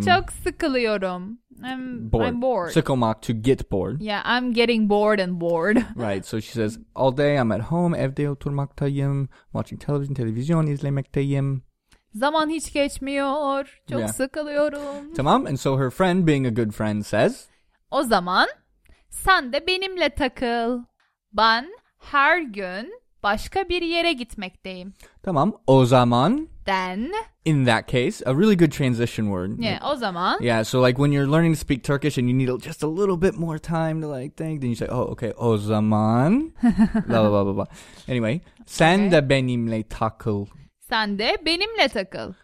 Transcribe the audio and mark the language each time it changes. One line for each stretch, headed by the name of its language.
Turkish: Çok sıkılıyorum.
English: I'm bored. Sıkılmak, to get bored. Yeah, I'm getting bored and bored. Right, so she says, all day I'm at home,
Turkish: evde oturmaktayım,
English: watching
Turkish: televizyon izlemekteyim. Zaman hiç geçmiyor, çok sıkılıyorum.
English: Tamam, and so her friend, being a good friend, says,
Turkish: o zaman sen de benimle takıl, ben her gün başka bir yere gitmekteyim. Tamam, o zaman...
English: Then. In that case, a really good transition word. Yeah, like, o zaman. Yeah, so like when you're learning to speak Turkish and you need just a little bit more time to like think, then you say, oh, okay, o zaman. Blah, blah, blah, blah, blah. Anyway, okay.
Turkish: Sen de benimle takıl. Sen de benimle takıl.